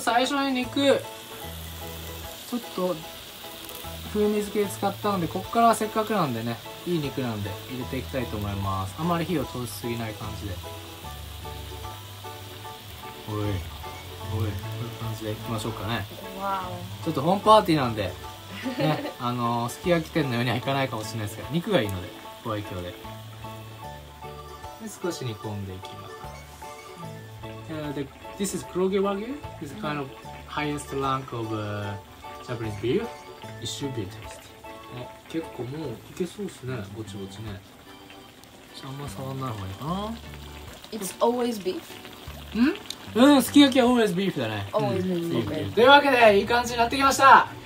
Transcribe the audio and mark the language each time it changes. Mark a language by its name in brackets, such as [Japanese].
[Japanese] 最初に肉ちょっと風味付け使ったので、ここからはせっかくなんでね、いい肉なんで入れていきたいと思います。あまり火を通しすぎない感じで、おいおい、こういう感じでいきましょうかね。わお、ちょっとホームパーティーなんでね、すき焼き店のようにはいかないかもしれないですけど、肉がいいのでご愛嬌 で少し煮込んでいきます。 [English] で、This is 黒毛和牛。 This is kind of highest rank of Japanese beef。 [Japanese] 一瞬ビートです。あ、結構もういけそうですね。ぼちぼちね。あんま触んない方がいいかな。 [English] It's always beef。 [Japanese] うん？うん、すき焼きは [English] always beef [Japanese] だね。 [English] Always beef。 [Japanese] というわけでいい感じになってきました。